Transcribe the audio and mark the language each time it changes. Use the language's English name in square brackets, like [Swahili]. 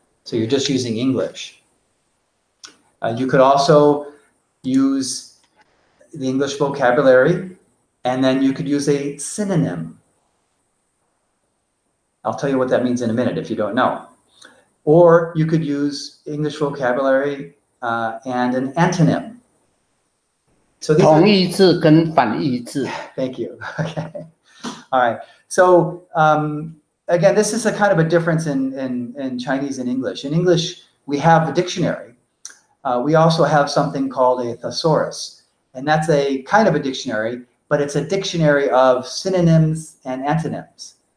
[English] So you're just using English. You could also use the English vocabulary, and then you could use a synonym. I'll tell you what that means in a minute if you don't know. Or you could use English vocabulary and an antonym. So these [Chinese] 同义字跟反义字. [English] Thank you. Okay. All right. So again, this is a kind of a difference in Chinese and English. In English, we have a dictionary. We also have something called a thesaurus. And that's a kind of a dictionary, but it's a dictionary of synonyms and antonyms.